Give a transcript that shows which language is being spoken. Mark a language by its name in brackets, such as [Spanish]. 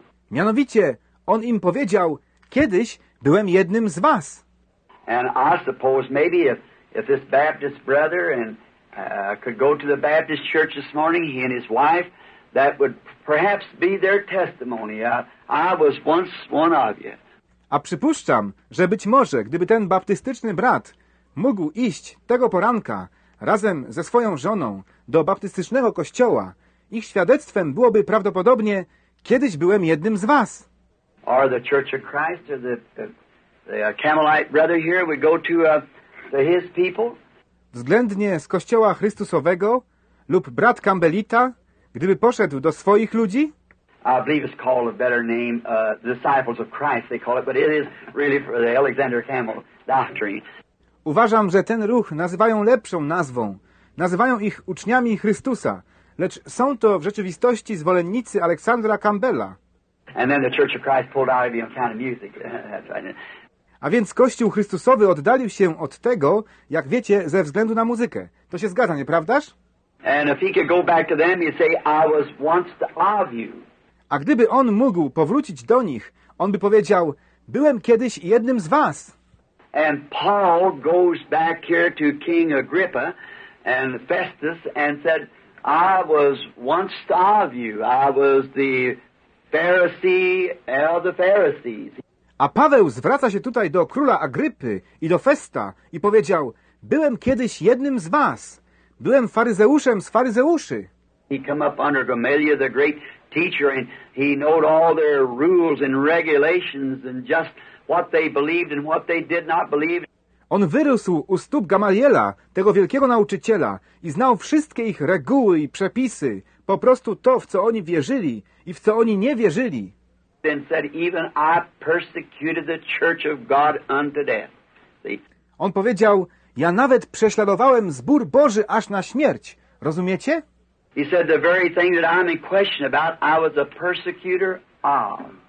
[Polish] Mianowicie, on im powiedział, kiedyś byłem jednym z was. [English] And I suppose maybe if this Baptist brother and could go to the Baptist church this morning, he and his wife, that would perhaps be their testimony. I was once one of you. [Polish] A przypuszczam, że być może, gdyby ten baptystyczny brat mógł iść tego poranka razem ze swoją żoną do baptystycznego kościoła, ich świadectwem byłoby prawdopodobnie, kiedyś byłem jednym z was. [English] Or the Church of Christ, or the Carmelite brother here would go to his people. [Polish] Względnie z Kościoła Chrystusowego lub brat Kambelita, gdyby poszedł do swoich ludzi. [English] I believe it's called a better name, Disciples of Christ, they call it, but it is really for the Alexander Campbell doctrine. [Polish] Uważam, że ten ruch nazywają lepszą nazwą. Nazywają ich uczniami Chrystusa, lecz są to w rzeczywistości zwolennicy Aleksandra Campbella. [English] And then the Church of Christ pulled out of the account of music. [Polish] A więc Kościół Chrystusowy oddalił się od tego, jak wiecie, ze względu na muzykę. To się zgadza, nieprawdaż? [English] And if he could go back to them, he'd say, I was once of you. [Polish] A gdyby on mógł powrócić do nich, on by powiedział, byłem kiedyś jednym z was. [English] And Paul goes back here to King Agrippa and Festus and said, I was once of you. I was the Pharisee of the Pharisees. [Polish] A Paweł zwraca się tutaj do króla Agrypy i do Festa i powiedział, byłem kiedyś jednym z was. Byłem faryzeuszem z faryzeuszy. [English] He came up under Gamaliel, the great teacher, and he knew all their rules and regulations and just what they believed and what they did not believe. [Polish] On wyrósł u stóp Gamaliela, tego wielkiego nauczyciela, i znał wszystkie ich reguły i przepisy, po prostu to, w co oni wierzyli i w co oni nie wierzyli. [English] Then said, even I persecuted the church of God unto death. [Polish] On powiedział, ja nawet prześladowałem zbór Boży aż na śmierć. Rozumiecie? [English] He said, the very thing that I'm in question about, I was a persecutor of.